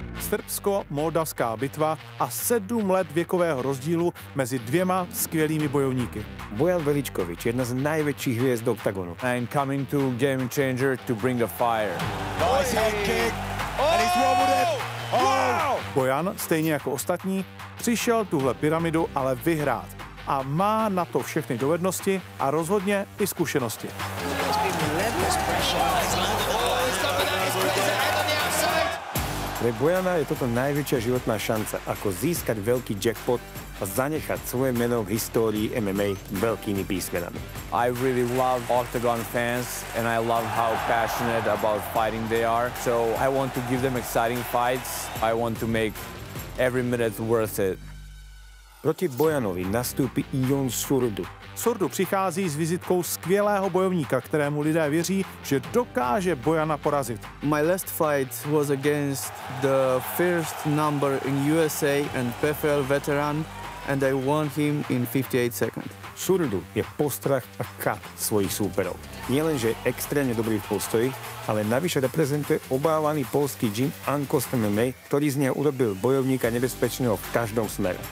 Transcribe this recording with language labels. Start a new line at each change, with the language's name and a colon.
Czech: Srbsko-moldavská bitva a 7 let věkového rozdílu mezi dvěma skvělými bojovníky. Bojan Veličković, jedna z největších hvězd OKTAGONu.
English: And coming to game changer to bring the fire.
Czech: Bojan, stejně jako ostatní, přišel tuhle pyramidu ale vyhrát. A má na to všechny dovednosti a rozhodně i zkušenosti.
Slovak: Pre Bojana je toto najväčšia životná šanca, ako získať veľký jackpot a zanechať svoje meno v histórii MMA veľkými písmenami.
English: I really love OKTAGON fans and I love how passionate about fighting they are. So I want to give them exciting fights. I want to make every minute worth it.
Slovak: Proti Bojanovi nastúpi Ion Surdu.
Czech: Surdu přichází s vizitkou skvělého bojovníka, kterému lidé věří, že dokáže Bojana porazit.
English: My last fight was against the first number in USA and PFL veteran and I won him in 58 seconds.
Slovak: Surdu je postrach a kat svojich súperov. Nielenže je extrémne dobrý v postoji, ale navyše reprezentuje obávaný polský gym Ankos MMA, ktorý z neho urobil bojovníka nebezpečného v každom smere.